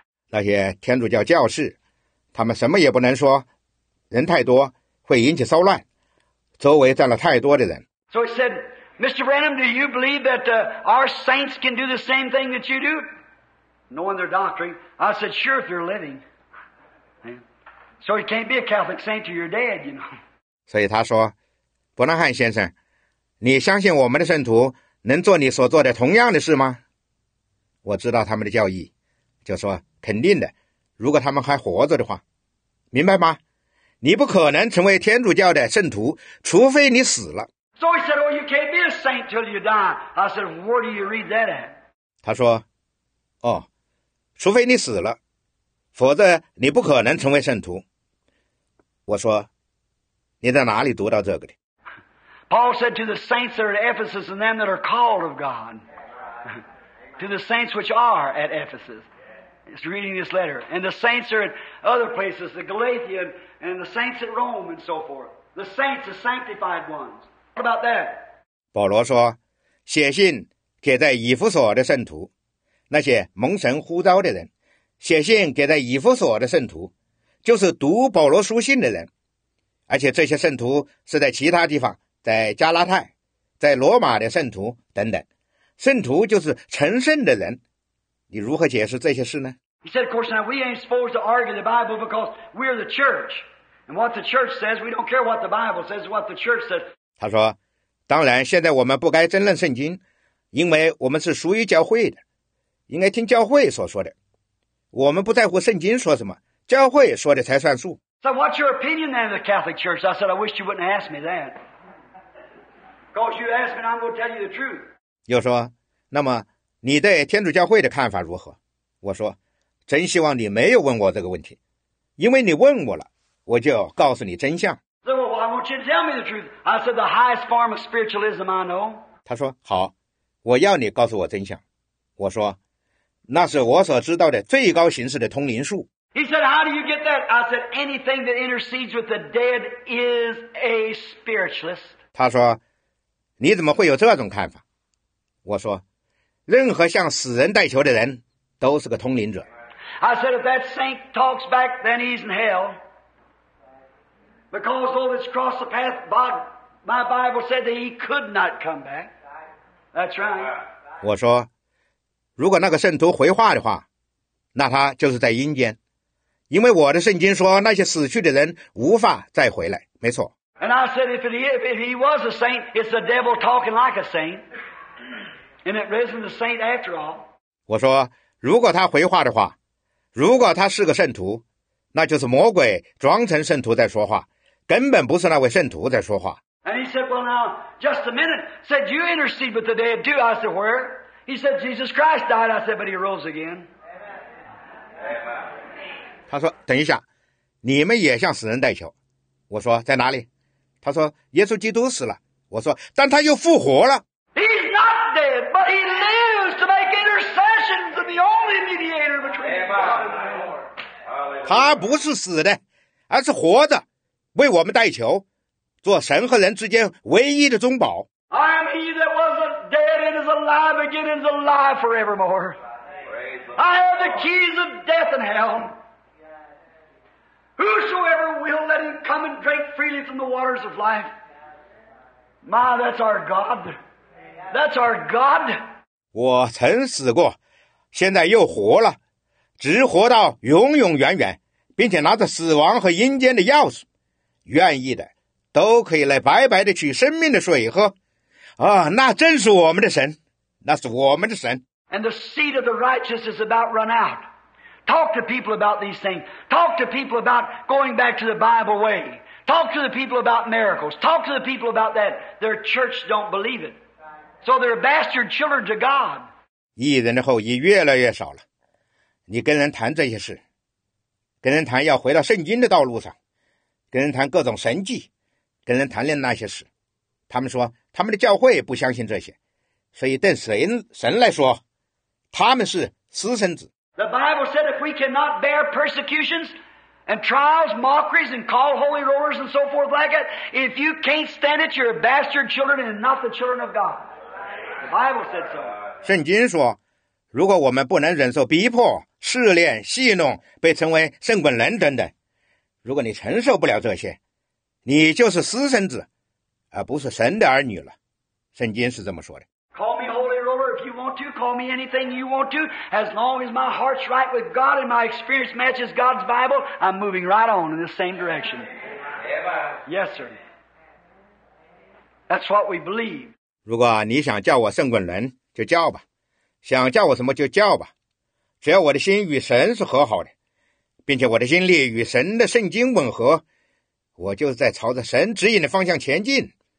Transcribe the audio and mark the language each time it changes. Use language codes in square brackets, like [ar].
[zh] 那些天主教教士，他们什么也不能说，人太多会引起骚乱，周围站了太多的人。 [en] So he said, Mr. Branham, do you believe that our saints can do the same thing that you do? Knowing their doctrine, I said, sure, if you're living. So you can't be a Catholic saint till you're dead, you know. [zh] 所以他说，伯南汉先生，你相信我们的圣徒能做你所做的同样的事吗？我知道他们的教义，就说肯定的，如果他们还活着的话，明白吗？你不可能成为天主教的圣徒，除非你死了。 [en] So he said, oh, you can't be a saint till you die. I said, where do you read that at? [zh] 他说哦，除非你死了，否则你不可能成为圣徒。我说，你在哪里读到这个的 [en] ？Paul said to the saints that are at Ephesus and them that are called of God, to the saints which are at Ephesus, is reading this letter, and the saints are at other places, the Galatians and the saints at Rome and so forth. The saints, the sanctified ones. What about that? [zh] 保罗说，写信给在以弗所的圣徒。那些蒙神呼召的人，写信给在以弗所的圣徒，就是读保罗书信的人，而且这些圣徒是在其他地方，在加拉太，在罗马的圣徒等等，圣徒就是成圣的人，你如何解释这些事呢？ [en] He said, of course, now we ain't supposed to argue the Bible because we're the church, and what the church says, we don't care what the Bible says, what the church says. [zh] 他说，当然，现在我们不该争论圣经，因为我们是属于教会的。应该听教会所说的，我们不在乎圣经说什么，教会说的才算数。 [en] So what's your opinion then of the Catholic Church? I said I wish you wouldn't ask me that, because you ask me, I'm going to tell you the truth. [zh] 又说，那么你对天主教会的看法如何？我说，真希望你没有问我这个问题，因为你问我了，我就告诉你真相。 [en] So I want you to tell me the truth. I said the highest form of spiritualism I know. [zh] 他说好，我要你告诉我真相。我说。那是我所知道的最高形式的通灵术。 [en] He said, "How do you get that?" I said, "Anything that intercedes with the dead is a spiritualist." [zh] 他说，你怎么会有这种看法？我说，任何向死人代求的人都是个通灵者。 [en] I said, "If that saint talks back, then he's in hell, because all that's crossed the path, my Bible said that he could not come back." That's right. [zh] 我说。如果那个圣徒回话的话，那他就是在阴间，因为我的圣经说那些死去的人无法再回来，没错。 [en] And I said, if he was a saint, it's the devil talking like a saint. And it raised the saint after all. [zh] 我说，如果他回话的话，如果他是个圣徒，那就是魔鬼装成圣徒在说话，根本不是那位圣徒在说话。 [en] And he said, well now, just a minute. Said, you intercede with the dead too. I said, where? He said, Jesus Christ died. I said, but he rose again. [zh] 他说，等一下，你们也向死人代求。我说，在哪里？他说，耶稣基督死了。我说，但他又复活了。 [en] He's not dead, but he lives to make intercession to be the only mediator between God and the Lord. [zh] 他不是死的，而是活着，为我们代求，做神和人之间唯一的中保。 [en] I am he that was dead and is alive again and is alive forevermore. I have the keys of death and hell. Whosoever will let him come and drink freely from the waters of life. My, that's our God. That's our God. [zh] 我曾死过，现在又活了，直活到永永远远，并且拿着死亡和阴间的钥匙，愿意的都可以来白白的取生命的水喝。啊，那真是我们的神，那是我们的神。 [en] And the seed of the righteous is about run out. Talk to people about these things. Talk to people about going back to the Bible way. Talk to the people about miracles. Talk to the people about that. Their church don't believe it. So they're bastard children to God. [zh] 义人的后裔越来越少了。你跟人谈这些事，跟人谈要回到圣经的道路上，跟人谈各种神迹，跟人谈论那些事，他们说他们的教会不相信这些，所以对神来说，他们是私生子。 [en] The Bible said if we cannot bear persecutions and trials, mockeries, and call holy rollers and so forth like that, if you can't stand it, you're bastard children and not the children of God. The Bible said so. [zh] 圣经说，如果我们不能忍受逼迫、试炼、戏弄、被称为圣滚人等等，如果你承受不了这些，你就是私生子，而不是神的儿女了。圣经是这么说的。 [en] Call me anything you want to. As long as my heart's right with God and my experience matches God's Bible, I'm moving right on in the same direction. Yes, sir. That's what we believe. [zh] 如果你想叫我圣滚人，就叫吧；想叫我什么就叫吧。只要我的心与神是和好的，并且我的心力与神的圣经吻合，我就在朝着神指引的方向前进。